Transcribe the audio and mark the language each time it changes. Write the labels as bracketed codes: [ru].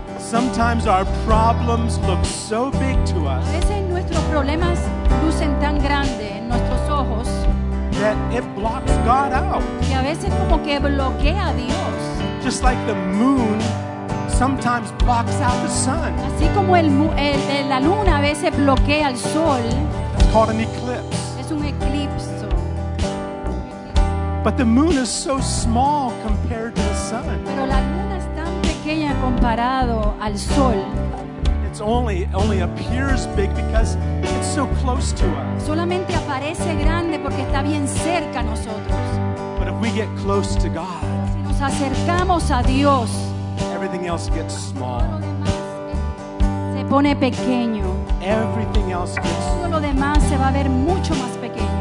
[en] Sometimes our problems look so big to us. [es] A veces nuestros problemas lucen tan grandes en nuestros ojos. [en] Que that it blocks God out. [es] Y a veces como que bloquea a Dios. [en] Just like the moon sometimes blocks out the sun. [es] Así como la luna a veces bloquea al sol. [en] It's called an eclipse. [es] Es un eclipse. [en] But the moon is so small compared to the sun. [es] Pero la luna es tan pequeña comparado al sol. [en] It's only appears big because it's so close to us. [es] Solamente aparece grande porque está bien cerca a nosotros. [en] But if we get close to God, [es] si nos acercamos a Dios, [en] everything else gets small. [es] Todo lo demás se pone pequeño. [en] Everything else gets small. [es] Todo lo demás se va a ver mucho más pequeño.